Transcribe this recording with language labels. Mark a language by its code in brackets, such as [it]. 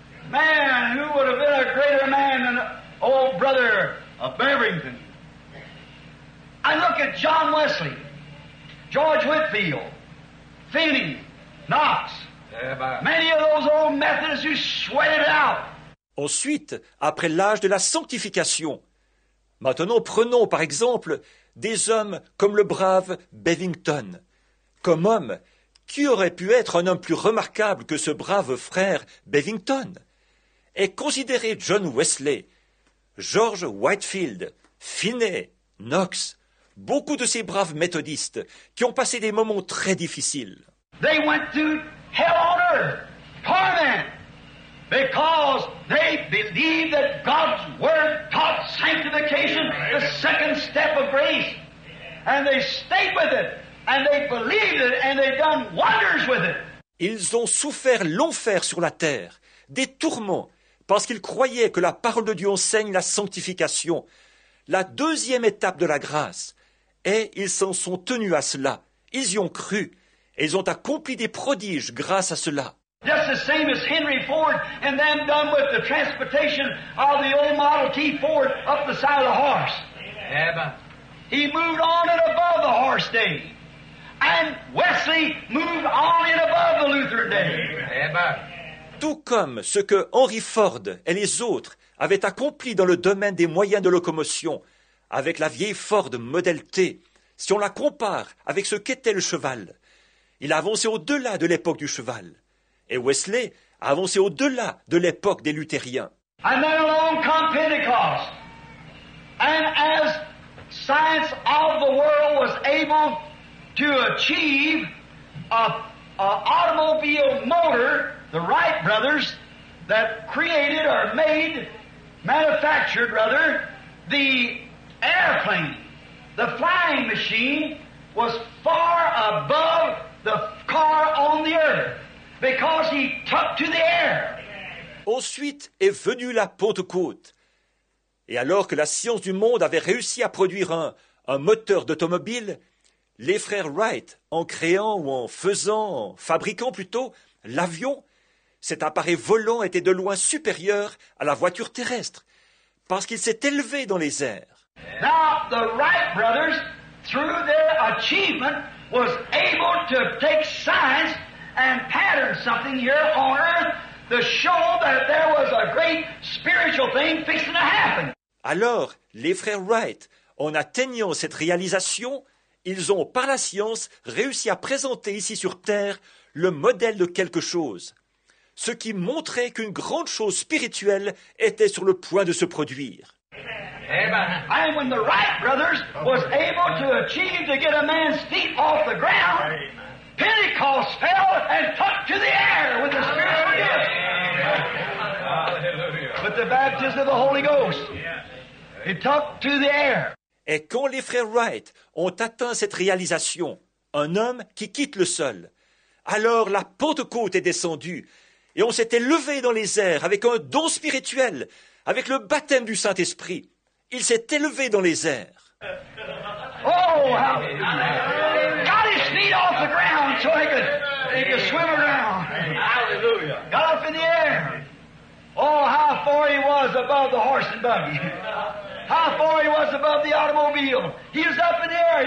[en] Man, who would have been a greater man than old brother of Beverington? I look at John Wesley, George Whitfield, Finney, Knox, many of those old Methodists who sweated out. [fr] Ensuite, après l'âge de la sanctification, maintenant prenons par exemple des hommes comme le brave Bevington. Comme homme, qui aurait pu être un homme plus remarquable que ce brave frère Bevington? Et considérez John Wesley, George Whitefield, Finney, Knox, beaucoup de ces braves méthodistes qui ont passé des moments très difficiles. [en] They went to hell on earth, torment, because they believed that God's word taught sanctification, the second step of grace. And they stayed with it, and they believed it, and they've done wonders with it. [fr] Ils ont souffert l'enfer sur la terre, des tourments, parce qu'ils croyaient que la parole de Dieu enseigne la sanctification, la deuxième étape de la grâce. Et ils s'en sont tenus à cela. Ils y ont cru. Et ils ont accompli des prodiges grâce à cela. [en] Just the same as Henry Ford and them done with the transportation of the old Model T Ford up the side of the horse. Amen. He moved on and above the horse day. And Wesley moved on and above the Lutheran day. Amen. [fr] Tout comme ce que Henry Ford et les autres avaient accompli dans le domaine des moyens de locomotion avec la vieille Ford Model T, si on la compare avec ce qu'était le cheval, il a avancé au-delà de l'époque du cheval. Et Wesley a avancé au-delà de l'époque des luthériens. [en] And then along come Pentecost. And as science of the world was able to achieve an automobile motor, the Wright brothers that created or made, manufactured rather, the airplane, the flying machine, was far above the car on the earth. Because he took to the air. [fr] Ensuite est venue la Pentecôte. Et alors que la science du monde avait réussi à produire un moteur d'automobile, les frères Wright, en créant ou en faisant, en fabriquant plutôt, l'avion, cet appareil volant était de loin supérieur à la voiture terrestre, parce qu'il s'est élevé dans les airs. [en] Now, the Wright brothers, through their achievement, was able to take science and pattern something here on earth to show that there was a great spiritual thing fixing to happen. [fr] Alors, les frères Wright, en atteignant cette réalisation, ils ont, par la science, réussi à présenter ici sur Terre le modèle de quelque chose, ce qui montrait qu'une grande chose spirituelle était sur le point de se produire. [en] Amen. And when the Wright brothers was able to achieve to get a man's feet off the ground, Pentecost fell and took to the air with the spiritual gift. Hallelujah. With the baptism of the Holy Ghost. He took to the air. [fr] Et quand les frères Wright ont atteint cette réalisation, un homme qui quitte le sol, alors la Pentecôte est descendue et on s'est élevé dans les airs avec un don spirituel, avec le baptême du Saint-Esprit. Il s'est élevé dans les airs. [en] Oh, God his feet off the ground so he could swim around. Hallelujah. Got up in the air. Oh, how far he was above the horse and buggy. How far he was above the automobile. He was up in the air.